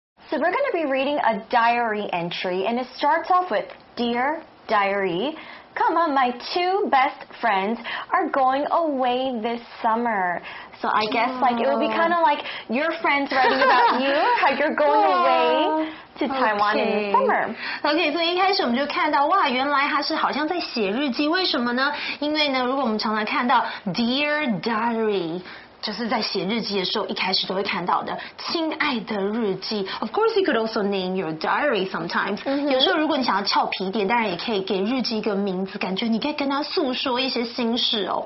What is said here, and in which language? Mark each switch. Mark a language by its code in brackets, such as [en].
[en] So we're going to be reading a diary entry, and it starts off with, Dear Diary, come on, my two best friends are going away this summer. So I guess like it would be kind of like your friends writing about you, how you're going away. Okay. [zh] OK, 所以一开始我们就看到哇，原来他是好像在写日记，为什么呢？因为呢，如果我们常常看到 [en] Dear Diary， [zh] 就是在写日记的时候一开始都会看到的，亲爱的日记。 [en] Of course you could also name your diary sometimes、mm-hmm. [zh] 有时候如果你想要俏皮一点，当然也可以给日记一个名字，感觉你可以跟他诉说一些心事哦。